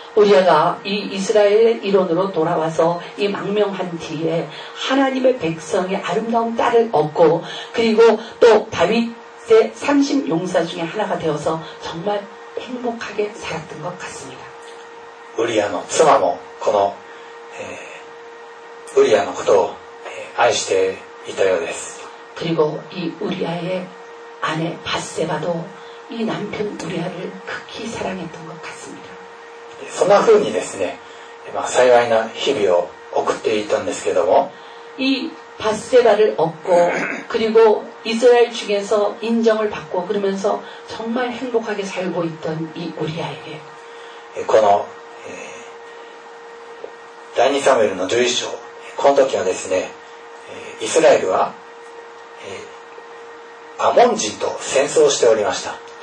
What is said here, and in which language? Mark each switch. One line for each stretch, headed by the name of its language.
Korean: 우리아가이이스라엘의일원으로돌아와서이망명한뒤에하나님의백성의아름다운딸을얻고그리고또다윗30용사중에하나가되어서정말행복하게살았던것같습니다 우리아의
Japanese: 妻もこの우리아のことを愛していたようです。
Korean: 그리고이우리아의아내바세바도이남편우리아를극히사랑했던것같습니다
Japanese: そんな風にですねまあ、幸いな日々を送っていたんですけども、
Korean: 이바세바를얻고그리고이스라엘측에서인정을받고그러면서정말행복하게살고있던이우리아에게
Japanese: この第2サムエルの11章この時はですね、イスラエルはアモン人と戦争しておりました。